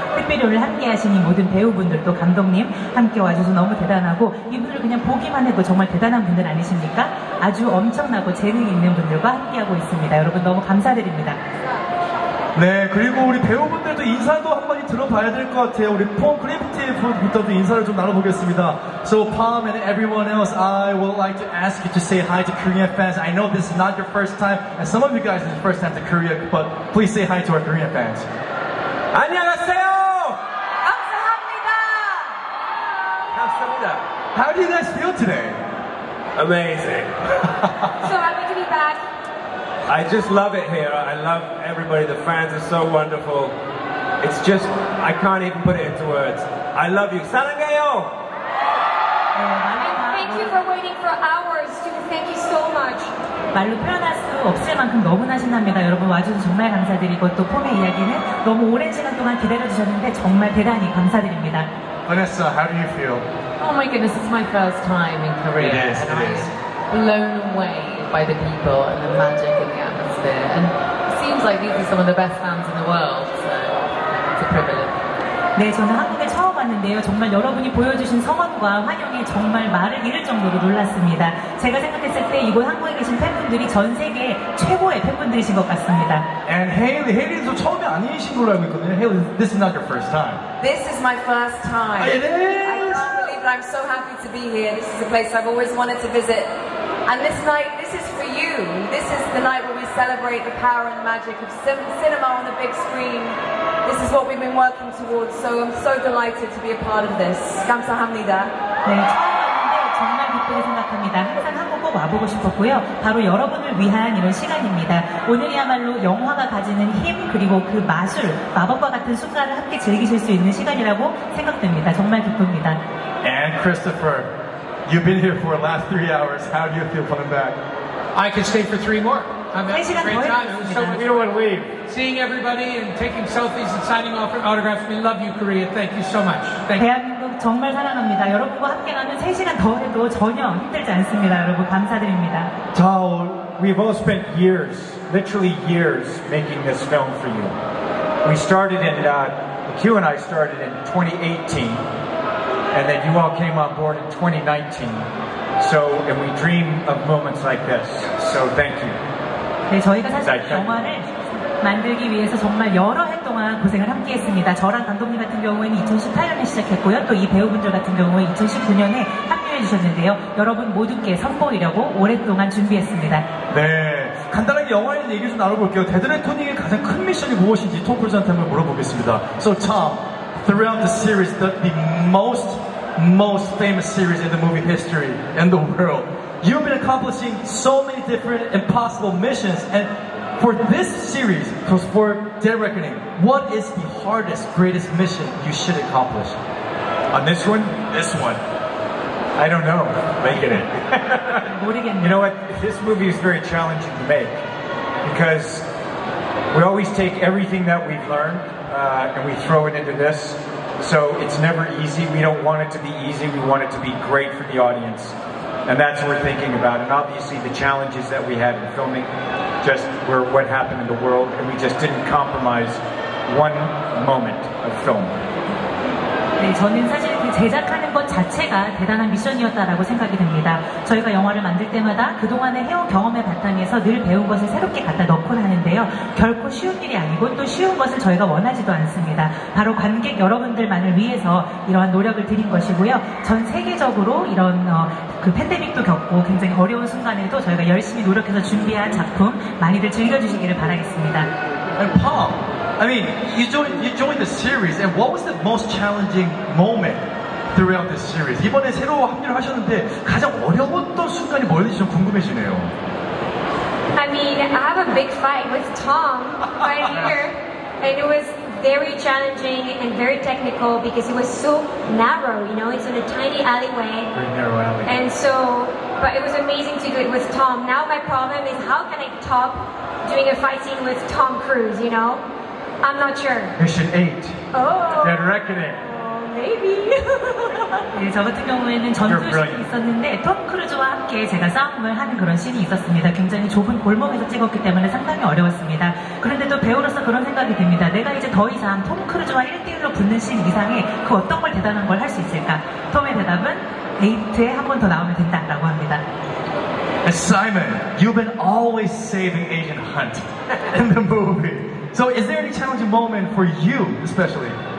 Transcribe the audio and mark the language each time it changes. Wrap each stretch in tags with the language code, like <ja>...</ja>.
<ko>특별히 오늘 함께하신 이 모든 배우분들도 감독님 함께 와주셔서 너무 대단하고 이분들 그냥 보기만 해도 정말 대단한 분들 아니십니까? 아주 엄청나고 재능 있는 분들과 함께하고 있습니다. 여러분 너무 감사드립니다. 네, 그리고 우리 배우분들도 인사도 한번 들어봐야 될 것 같아요. 우리 폼클레멘티에프부터도 인사를 좀 나눠보겠습니다.</ko> <en>So, Palm and everyone else, I would like to ask you to say hi to Korean fans. I know this is not your first time, and some of you guys is the first time to Korea, but please say hi to our Korean fans.</en> <ko>안녕하세요! 감사합니다! 감사합니다.</ko> <en>How do you guys feel today? Amazing.</en> <ko>좋아합니다.</ko> <en>I just love it here. I love everybody. The fans are so wonderful. It's just, I can't even put it into words. I love you.</en> <ko>사랑해요!</ko> <en>Thank you for waiting for hours. Thank you so much.</en> <ko>말로 표현할 수 없을 만큼 너무나 신납니다. 여러분 와주셔서 정말 감사드리고 또 폼의 이야기는 너무 오랜 시간 동안 기다려주셨는데 정말 대단히 감사드립니다.</ko> <en>Vanessa, how do you feel? Oh my goodness, it's my first time in Korea. It is, it is. Blown away. By the people and the magic and the atmosphere, and it seems like these are some of the best fans in the world, so it's a privilege.</en> <ko>네, 저는 한국에 처음 왔는데요. 정말 여러분이 보여주신 성원과 환영이 정말 말을 잃을 정도로 놀랐습니다. 제가 생각했을 때 이곳 한국에 계신 팬분들이 전 세계 최고의 팬분들이신 것 같습니다.</ko> <en>And Hailey,</en> <ko>Hailey도 처음이 아니신 걸로 알고 있거든요.</ko> <en>Hailey, this is not your first time. This is my first time. It is! I can't believe it. I'm so happy to be here. This is a place I've always wanted to visit. And this night, this is for you. This is the night where we celebrate the power and the magic of cinema on the big screen. this is what we've been working towards. So I'm so delighted to be a part of this.</en> <ko>감사합니다. 네, 정말 기쁘게 생각합니다. 항상 한국꼭 와보고 싶었고요. 바로 여러분을 위한 이런 시간입니다. 오늘이야말로 영화가 가지는 힘 그리고 그 마술, 마법과 같은 순간을 함께 즐기실 수 있는 시간이라고 생각됩니다. 정말 기쁩니다.</ko> <en>And Christopher, you've been here for the last 3 hours. How do you feel coming back? I can stay for 3 more. I'm having a great time. So much fun. You don't want to leave. Seeing everybody and taking selfies and signing off for autographs. We love you, Korea. Thank you so much. Thank you.</en> <ko>대한민국 정말 사랑합니다. 여러분과 함께하는 3시간 더 해도 전혀 힘들지 않습니다. 여러분 감사드립니다.</ko> <en>자, we've all spent years, literally years, making this film for you. We started in, Q and I started in 2018. And then you all came on board in 2019. So, and we dream of moments like this. So, thank you.</en> <ko>네, 저희가 사실 영화를 만들기 위해서 정말 여러 해 동안 고생을 함께 했습니다. 저랑 감독님 같은 경우에는 2018년에 시작했고요. 또 이 배우분들 같은 경우에 2019년에 합류해 주셨는데요. 여러분 모두께 선보이려고 오랫동안 준비했습니다. 네, 간단하게 영화에 대한 얘기 좀 나눠볼게요. 데드레코닝의 가장 큰 미션이 무엇인지 톰크루즈한테 한번 물어보겠습니다.</ko> <en>So Tom, throughout the series, the most famous series in the movie history and the world, you've been accomplishing so many different impossible missions, and for this series, for Deadreckoning, what is the hardest, greatest mission you should accomplish? On this one? This one. I don't know. Making it. You know what? This movie is very challenging to make, because we always take everything that we've learned and we throw it into this, so it's never easy. We don't want it to be easy. We want it to be great for the audience. And that's what we're thinking about. And obviously the challenges that we had in filming just were what happened in the world. And we just didn't compromise one moment of film.</en> <ko>네, 저는 사실 그 제작하는 것 자체가 대단한 미션이었다라고 생각이 듭니다. 저희가 영화를 만들 때마다 그동안의 해온 경험의 바탕에서 늘 배운 것을 새롭게 갖다 넣곤 하는데요. 결코 쉬운 일이 아니고 또 쉬운 것을 저희가 원하지도 않습니다. 바로 관객 여러분들만을 위해서 이러한 노력을 드린 것이고요. 전 세계적으로 이런 그 팬데믹도 겪고 굉장히 어려운 순간에도 저희가 열심히 노력해서 준비한 작품 많이들 즐겨주시기를 바라겠습니다.</ko> <en>And Pop, I mean, you joined the series, and what was the most challenging moment throughout this series?</en> <ko>이번에 새로 합류를 하셨는데 가장 어려웠던 순간이 뭐였는지 좀 궁금해지네요.</ko> <en>I mean, I have a big fight with Tom right here, and it was very challenging and very technical because it was so narrow, you know, it's in a tiny alleyway. Very narrow alley. And so, but it was amazing to do it with Tom. Now my problem is how can I top doing a fight scene with Tom Cruise, you know? I'm not sure. Mission 8. Oh. Dead Reckoning. Maybe.</en> <ko>네, 저 같은 경우에는 전투씬이 있었는데 톰 크루즈와 함께 제가 싸움을 하는 그런 씬이 있었습니다. 굉장히 좁은 골목에서 찍었기 때문에 상당히 어려웠습니다. 그런데 또 배우로서 그런 생각이 듭니다. 내가 이제 더 이상 톰 크루즈와 1대1로 붙는 씬 이상에 그 어떤 걸 대단한 걸 할 수 있을까? 톰의 대답은 에이트에 한 번 더 나오면 된다라고 합니다.</ko> <en>And Simon, you've been always saving Agent Hunt in the movie. So is there any challenging moment for you especially?</en>